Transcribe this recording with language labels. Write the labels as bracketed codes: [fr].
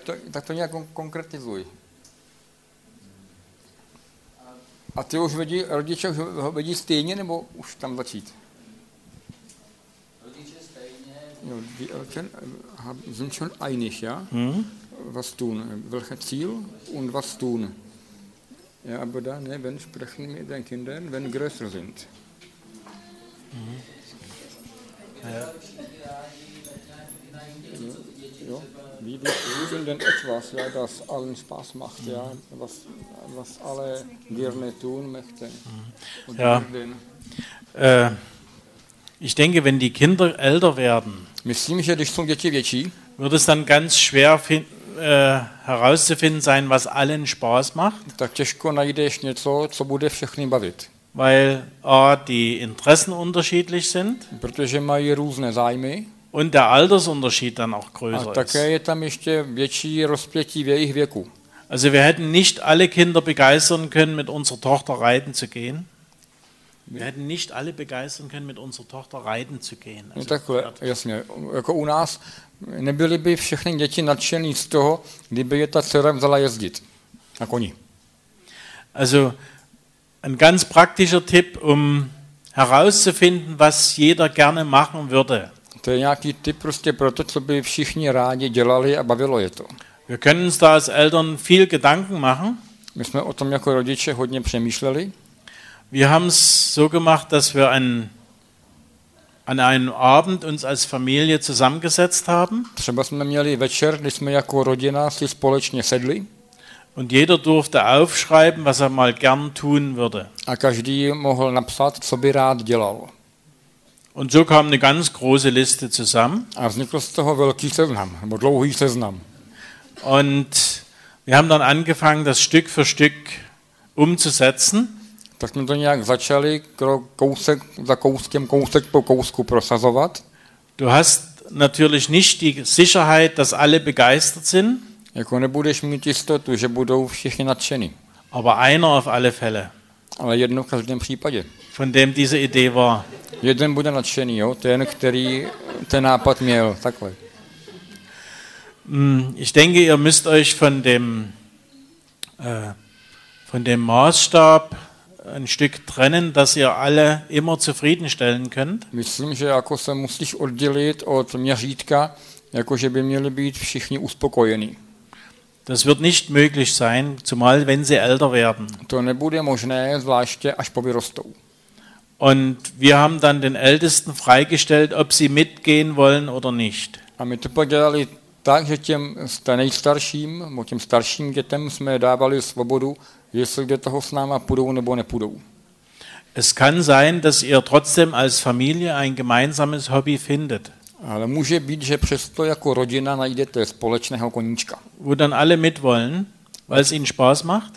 [cs] Tak to nějak konkretizuj. A ty už vidí, rodiče ho vidí stejně, nebo už tam začít? Rodiče stejně. [de] Jo, die Eltern sind schon einig, ja? Was tun? Welche Ziel und was tun? Ja, aber da, ne, wenn sprechen mit den Kindern, wenn größer sind. Wie will denn etwas, ja, das allen Spaß macht, ja, was alle gerne tun möchten? Ja, ich denke, wenn die Kinder älter werden, [cs] myslím, že když jsou děti větší, [de] wird es dann ganz schwer herauszufinden sein, was allen Spaß macht. [cs] Tak těžko najdeš něco, co bude všechny bavit. [de] Weil A, die Interessen unterschiedlich sind. [cs] Protože mají různé zájmy. [de] Und der Altersunterschied dann auch größer ist. [cs] A také je tam ještě větší rozpětí v jejich věku. [de] Also wir hätten nicht alle Kinder begeistern können, mit unserer Tochter reiten zu gehen. Wir hätten nicht alle begeistern können, mit unserer Tochter reiten zu gehen. [cs] Also, no takhle, jasně, jako u nás nebyly by všechny děti nadšený z toho, kdyby je ta dcera vzala jezdit na koni. [de] Also ein ganz praktischer Tipp, um herauszufinden, was jeder gerne machen würde. [cs] To je nějaký tip prostě pro to, co by všichni rádi dělali a bavilo je to. [de] Wir können uns da als Eltern viel Gedanken machen. [cs] My jsme o tom jako rodiče hodně přemýšleli. [de] Wir haben es so gemacht, dass wir an einem Abend uns als Familie zusammengesetzt haben. [cs] Třeba jsme měli večer, kdy jsme jako rodina si společně sedli. [de] Und jeder durfte aufschreiben, was er mal gern tun würde. [cs] A každý mohl napsat, co by rád dělal. [de] Und so kam eine ganz große Liste zusammen. [cs] A vznikl z toho velký seznam, nebo dlouhý seznam. [de] Und wir haben dann angefangen, das Stück für Stück umzusetzen. [cs] Tak jsme to nějak začali kousek za kouskem, kousek po kousku prosazovat. [de] Du hast natürlich nicht die Sicherheit, dass alle begeistert sind. [cs] Jako nebudeš mít jistotu, že budou všichni nadšeni. [de] Aber einer auf alle Fälle. [cs] Ale jedno v každém případě. [de] Von dem diese Idee war. [cs] Jeden bude nadšený, jo? Ten, který ten nápad měl, takhle. [de] Ich denke, ihr müsst euch von dem Maßstab ein Stück trennen, dass ihr alle immer zufriedenstellen könnt. [cs] Myslím, že jako se musíš oddělit od měřítka, jako že by měli být všichni uspokojení. [de] Das wird nicht möglich sein, zumal wenn sie älter werden. [cs] To nebude možné, zvláště až po vyrostou. [de] Und wir haben dann den Ältesten freigestellt, ob sie mitgehen wollen oder nicht. [cs] A my to podělali tak, že těm nejstarším, těm starším dětem jsme dávali svobodu, jestli do toho s náma půjdou nebo nepůjdou. [de] Es kann sein, dass ihr trotzdem als Familie ein gemeinsames Hobby findet. [cs] Ale může být, že přesto jako rodina najdete společného koníčka. [de] Wo dann alle mitwollen, weil es ihnen Spaß macht.